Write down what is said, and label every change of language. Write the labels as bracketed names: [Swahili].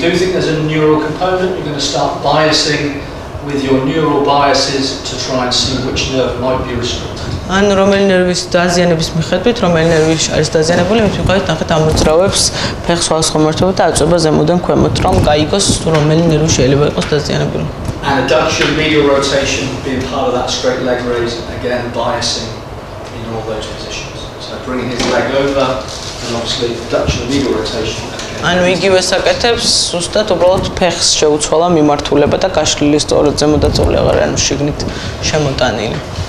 [English] do think there's a neural component, you're going to start biasing with your neural biases to try and see which nerve might be restricted. [Georgian] ან რომელი ნერვის დაზიანების მიხედვით, რომელი ნერვი არის დაზიანებული, მის მიხედვით ნახეთ ამოძრავებს ფეხს სხვადასხვა მიმართულებით და აწვება ზემოდან ქვემოთ, რომ გაიგოს რომელი ნერვი შეიძლება იყოს დაზიანებული. [English] And adduction medial rotation being part of that straight leg raise again biasing in all those positions. So bringing his leg over and obviously adduction medial rotation. [Georgian] ანუ იგივე საკეთებს, უბრალოდ უბრალოდ ფეხს შეუცვალა მიმართულება და გაშლილი სწორად ზემოდან წვლილი აღარ არის შიგნით შემოტანილი.